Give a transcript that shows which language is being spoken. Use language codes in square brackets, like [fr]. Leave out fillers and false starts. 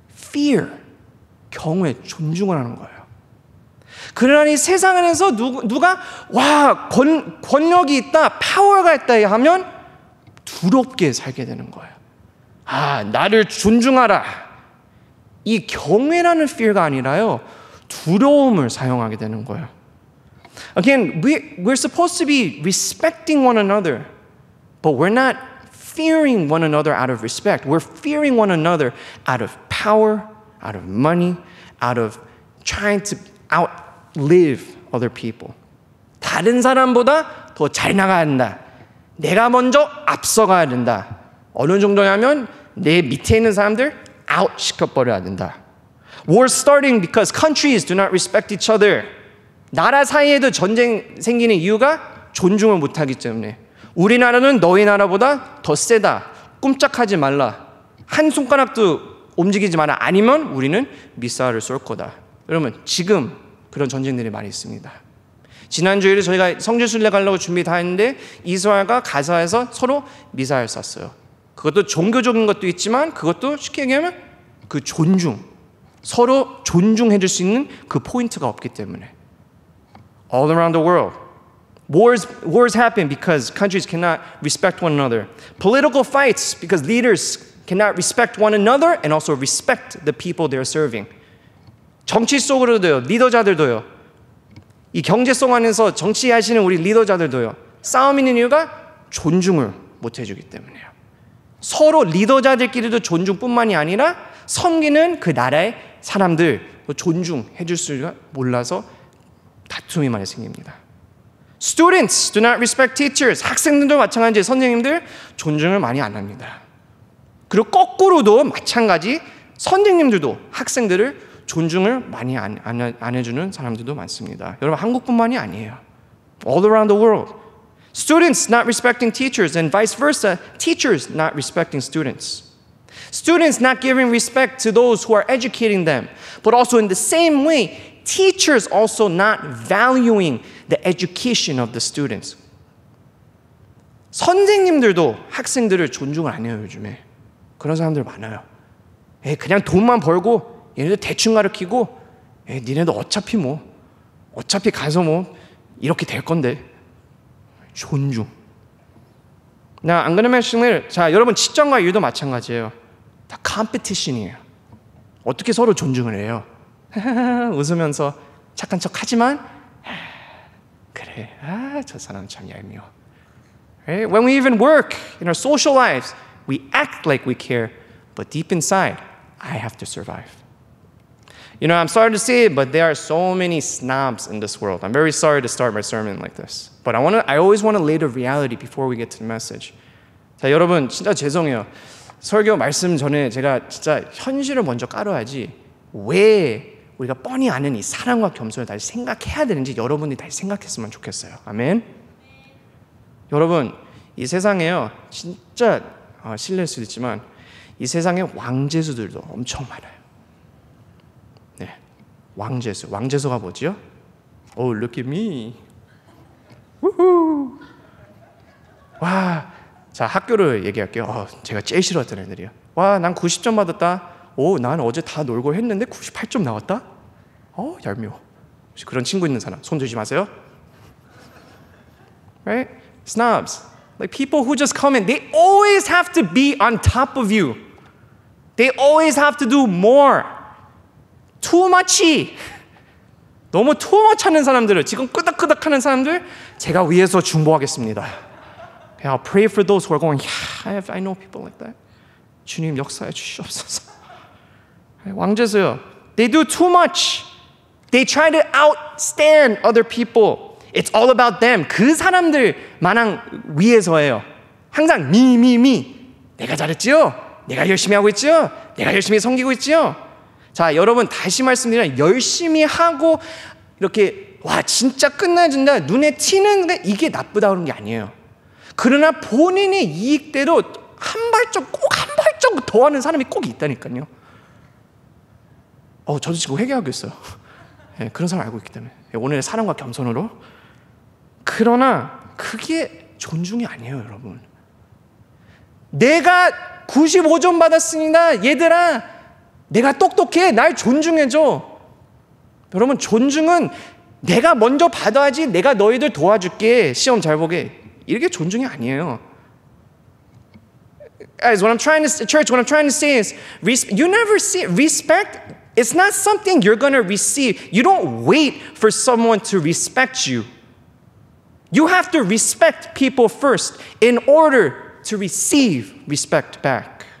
[ko] Fear, 경외, 존중을 하는 거예요. 그러나 이 세상 안에서 누가 와 권력이 있다, 파워가 있다 하면 두렵게 살게 되는 거예요. 아 나를 존중하라. 이 경외라는 fear가 아니라요 두려움을 사용하게 되는 거예요. [en] Again, we're supposed to be respecting one another, but we're not fearing one another out of respect. We're fearing one another out of power, out of money, out of trying to outlive other people. [ko] 다른 사람보다 더 잘 나가야 된다. 내가 먼저 앞서가야 된다. 어느 정도냐면 내 밑에 있는 사람들 out 시켜버려야 된다. [en] War starting because countries do not respect each other. [ko] 나라 사이에도 전쟁 생기는 이유가 존중을 못하기 때문에 우리나라는 너희 나라보다 더 세다 꼼짝하지 말라 한 손가락도 움직이지 마라 아니면 우리는 미사일을 쏠 거다 여러분 지금 그런 전쟁들이 많이 있습니다 지난주에 저희가 성지순례 가려고 준비 다 했는데 이스라엘과 가사에서 서로 미사일 쐈어요 그것도 종교적인 것도 있지만 그것도 쉽게 얘기하면 그 존중 서로 존중해줄 수 있는 그 포인트가 없기 때문에 [en] All around the world, wars happen because countries cannot respect one another. Political fights because leaders cannot respect one another and also respect the people they're serving. [ko] 정치 속으로도요, 리더자들도요, 이 경제 속 안에서 정치하시는 우리 리더자들도요, 싸움 있는 이유가 존중을 못해주기 때문이에요. 서로 리더자들끼리도 존중뿐만이 아니라 섬기는 그 나라의 사람들 존중해줄 수가 몰라서 다툼이 많이 생깁니다. [en] Students do not respect teachers. [ko] 학생들도 마찬가지, 선생님들 존중을 많이 안 합니다. 그리고 거꾸로도 마찬가지, 선생님들도 학생들을 존중을 많이 안 해주는 사람들도 많습니다. 여러분, 한국뿐만이 아니에요. [en] All around the world. Students not respecting teachers and vice versa. Teachers not respecting students. Students not giving respect to those who are educating them. But also in the same way, teachers also not valuing the education of the students. [ko] 선생님들도 학생들을 존중을 안 해요, 요즘에. 그런 사람들 많아요. 에, 그냥 돈만 벌고 얘네들 대충 가르치고, 에, 니네들 어차피 뭐, 어차피 가서 뭐 이렇게 될 건데. [en] 존중. Now, I'm going to mention later. [ko] 자, 여러분, 직장과 일도 마찬가지예요. 다 competition이에요. 어떻게 서로 존중을 해요? 웃으면서 착한 척 하지만, 그래, 아, 저 사람 참 얄미워. [en] Right? When we even work in our social lives, we act like we care, but deep inside, I have to survive. You know, I'm sorry to say it, but there are so many snobs in this world. I'm very sorry to start my sermon like this. But I always want to lay the reality before we get to the message. [ko] 자, 여러분, 진짜 죄송해요. 설교 말씀 전에 제가 진짜 현실을 먼저 깔아야지 왜 우리가 뻔히 아는 이 사랑과 겸손을 다시 생각해야 되는지 여러분이 다시 생각했으면 좋겠어요. 아멘. 여러분, 이 세상에요, 진짜 실례일 수도 있지만 이 세상에 왕재수들도 엄청 많아요. 왕재수. 왕재수가 뭐지요? [en] Oh, look at me. [ko] 우후. 와, 자, 학교를 얘기할게요. 어, 제가 제일 싫어했던 애들이요. 와, 난 90점 받았다. 오, 난 어제 다 놀고 했는데 98점 나왔다? 어, 얄미워. 혹시 그런 친구 있는 사람, 손 조심하세요. [en] Right? Snobs. Like people who just come in. They always have to be on top of you. They always have to do more. Too much. [ko] 너무 too much 하는 사람들을, 지금 끄덕끄덕 하는 사람들 제가 위해서 중보하겠습니다. [en] I'll pray for those who are going, yeah, I know people like that. [ko] 주님 역사해 주시옵소서. [en] 왕재수요. They do too much. They try to outstand other people. It's all about them. [ko] 그 사람들만 위해서예요. 항상 [en] me, me, me. [ko] 내가 잘했지요? 내가 열심히 하고 있지요? 내가 열심히 섬기고 있지요? 자, 여러분, 다시 말씀드리면 열심히 하고 이렇게 와 진짜 끝내준다, 눈에 튀는 게 이게 나쁘다 그런 게 아니에요. 그러나 본인의 이익대로 한 발짝, 꼭 한 발짝 더 하는 사람이 꼭 있다니까요. 어, 저도 지금 회개하고 있어요. 네, 그런 사람 알고 있기 때문에. 오늘의 사랑과 겸손으로. 그러나 그게 존중이 아니에요, 여러분. 내가 95점 받았습니다, 얘들아. 내가 똑똑해. 날 존중해줘. 여러분, 존중은 내가 먼저 받아야지 내가 너희들 도와줄게. 시험 잘 보게. 이게 존중이 아니에요. [en] Guys, what I'm trying to say, church, what I'm trying to say is you never see respect. It's not something you're going to receive. You don't wait for someone to respect you. You have to respect people first in order to receive respect back.